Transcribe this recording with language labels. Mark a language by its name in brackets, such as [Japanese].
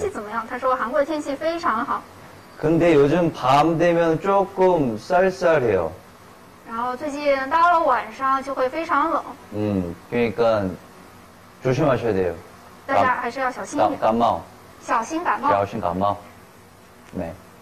[Chinese] 然后问他韩国天气怎么样？他说韩国的天气非常好。 [Korean] 근데 요즘 밤 되면 조금 쌀쌀해요. [Chinese] 然后最近到了晚上就会非常冷。 [Korean] 그러니까 조심하셔야 돼요. [Chinese] 大家还是要小心一点。感冒。小心感冒。小心感冒。네。